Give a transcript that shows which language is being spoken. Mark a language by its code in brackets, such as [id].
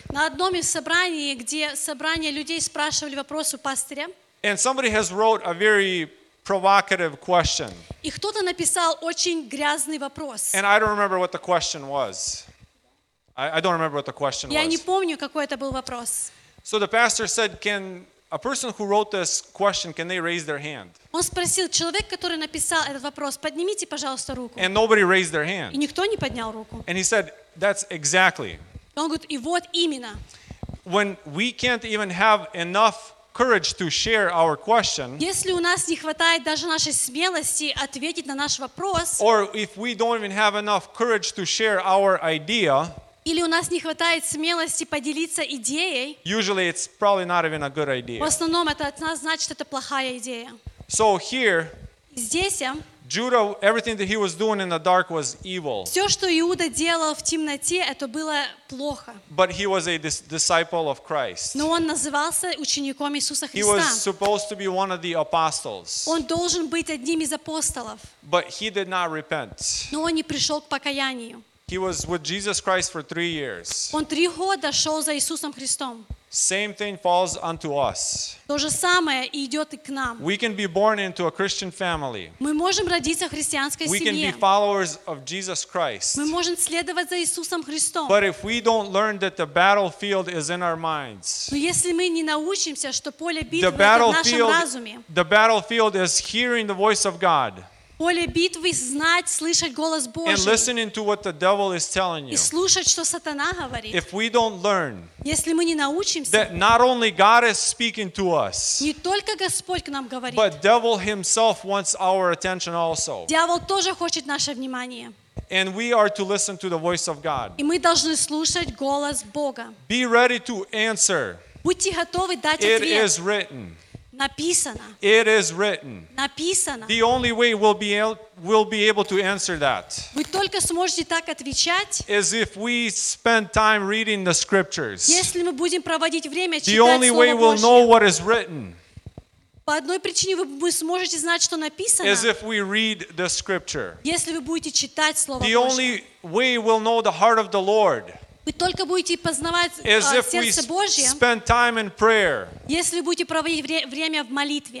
[ru] На одном из собраний, где собрание людей спрашивали вопросы пастыря. [en] And somebody has wrote a very provocative question. [ru] И кто-то написал очень грязный вопрос. [en] And I don't remember what the question was. I don't remember what the question [ru] Я [en] was. [ru] Я не помню, какой это был вопрос. [en] So the pastor said, "Can a person who wrote this question, can they raise their hand?" [ru] Он спросил: "Человек, который написал этот вопрос, поднимите, пожалуйста, руку." [en] And nobody raised their hand. [ru] И никто не поднял руку. [en] And he said, "That's exactly." [ru] Он говорит: "И вот именно." [en] When we can't even have enough courage to share our question. [ru] Если у нас не хватает даже нашей смелости ответить на наш вопрос. [en] Or if we don't even have enough courage to share our idea. [ru] Или у нас не хватает смелости поделиться идеей. [en] Usually it's probably not even a good idea. [ru] В основном это значит это плохая идея. [en] So here. [ru] Здесь я. [en] Judah, everything that he was doing in the dark was evil. [ru] Все, что Иуда делал в темноте, это было плохо. [en] But he was a disciple of Christ. [ru] Но он назывался учеником Иисуса Христа. [en] He was supposed to be one of the apostles. [ru] Он должен быть одним из апостолов. [en] But he did not repent. [ru] Но он не пришел к покаянию. [en] He was with Jesus Christ for 3 years. [ru] Он 3 года шел за Иисусом Христом. [en] Same thing falls unto us. [ru] То же самое идет и к нам. [en] We can be born into a Christian family. [ru] Мы можем родиться в христианской семье. [en] We can be followers of Jesus Christ. [ru] Мы можем следовать за Иисусом Христом. [en] But if we don't learn that the battlefield is in our minds. [ru] Но если мы не научимся, что поле битвы это в нашем разуме. [en] The battlefield is hearing the voice of God. [ru] Поле битвы знать, слышать голос Божий. [en] And listening to what the devil is telling you. [ru] И слушать, что сатана говорит. [en] If we don't learn. [ru] Если мы не научимся. [en] That not only God is speaking to us. [ru] Не только Господь к нам говорит. [en] But devil himself wants our attention also. [ru] Дьявол тоже хочет наше внимание. [en] And we are to listen to the voice of God. [ru] И мы должны слушать голос Бога. [en] Be ready to answer. [ru] Будьте готовы дать ответ. [en] It is written. [ru] Написано. [en] It is written. [ru] Написано. [en] The only way we'll be able to answer that. [ru] Вы только сможете так отвечать. [en] Is if we spend time reading the scriptures. [ru] Если мы будем проводить время читать Слово Божье. [en] The only way we'll know what is written. [ru] По одной причине вы сможете знать, что написано. [en] Is if we read the scripture. [ru] Если вы будете читать Слово Божье. [en] The only way we'll know the heart of the Lord. [ru] Вы только будете познавать сердце Божье. [en] Spend time in prayer. [ru] Если будете проводить время в молитве.